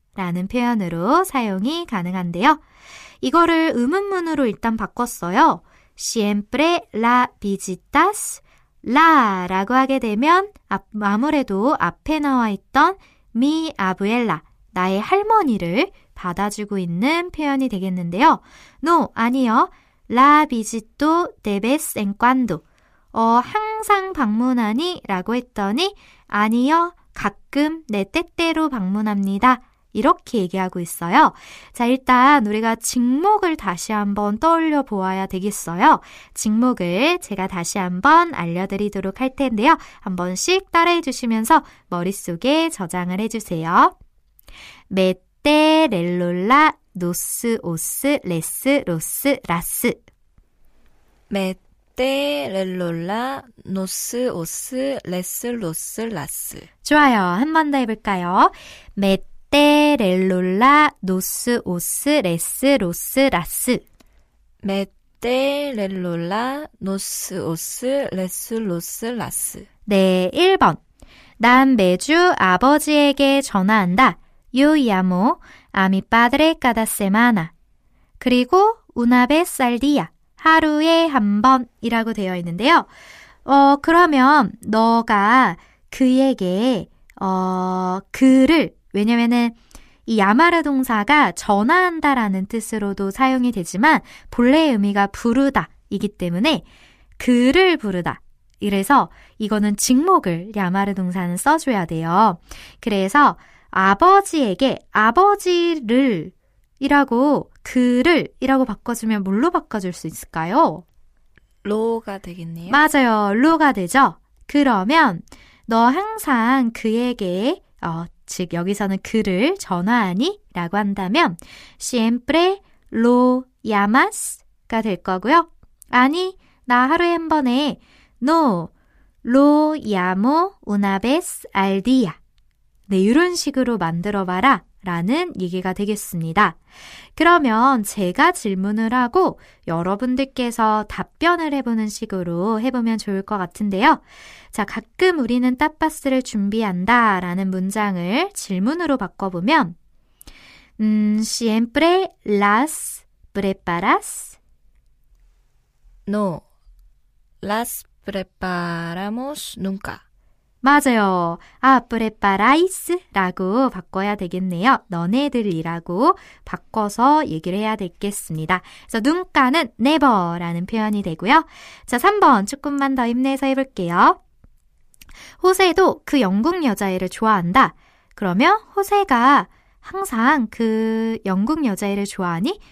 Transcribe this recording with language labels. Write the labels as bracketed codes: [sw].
[ko] 라는 표현으로 사용이 가능한데요. 이거를 의문문으로 일단 바꿨어요. [es] Siempre la visitas la [ko] 라고 하게 되면 아무래도 앞에 나와 있던 [es] mi abuela, [ko] 나의 할머니를 받아주고 있는 표현이 되겠는데요. No, 아니요. [es] La visito de vez en cuando. [ko] 항상 방문하니? 라고 했더니 아니요, 가끔 내 때때로 방문합니다. 이렇게 얘기하고 있어요. 자, 일단 우리가 직목을 다시 한번 떠올려 보아야 되겠어요. 직목을 제가 다시 한번 알려드리도록 할 텐데요. 한 번씩 따라해 주시면서 머릿속에 저장을 해주세요. 메떼, 렐롤라, 노스, 오스, 레스, 로스, 라스. 메떼, 렐롤라, 노스, 오스, 레스, 로스, 라스. 좋아요. 한 번 더 해볼까요? 메떼, 렐롤라, 노스, 오스, 레스, 로스, 라스. 메떼, 렐롤라, 노스, 오스, 레스, 로스, 라스. 네, 1번. 난 매주 아버지에게 전화한다. [es] Yo llamo a mi padre cada semana. [ko] 그리고 [es] una vez al día. [ko] 하루에 한 번이라고 되어 있는데요. 그러면 너가 그에게 그를 왜냐면은 이 야마르 동사가 전화한다라는 뜻으로도 사용이 되지만 본래의 의미가 부르다이기 때문에 그를 부르다. 이래서 이거는 직목을 야마르 동사는 써줘야 돼요. 그래서 아버지에게 아버지를 이라고 그를 이라고 바꿔주면 뭘로 바꿔줄 수 있을까요? 로가 되겠네요. 맞아요. 로가 되죠. 그러면 너 항상 그에게 즉 여기서는 그를 전화하니? 라고 한다면 [es] Siempre lo llamas [ko] 가 될 거고요. 아니 나 하루에 한 번에 [es] No lo llamo una vez al día. [ko] 네, 이런 식으로 만들어봐라 라는 얘기가 되겠습니다. 그러면 제가 질문을 하고 여러분들께서 답변을 해보는 식으로 해보면 좋을 것 같은데요. 자, 가끔 우리는 따빠스를 준비한다 라는 문장을 질문으로 바꿔보면 [es] Siempre las preparas? No, las preparamos nunca. [ko] 맞아요. 아, preparáis 라고 바꿔야 되겠네요. 너네들이라고 바꿔서 얘기를 해야 되겠습니다. 그래서 눈가는 never 라는 표현이 되고요. 자, 3번 조금만 더 힘내서 해볼게요. 호세도 그 영국 여자애를 좋아한다. 그러면 호세가 항상 그 영국 여자애를 좋아하니?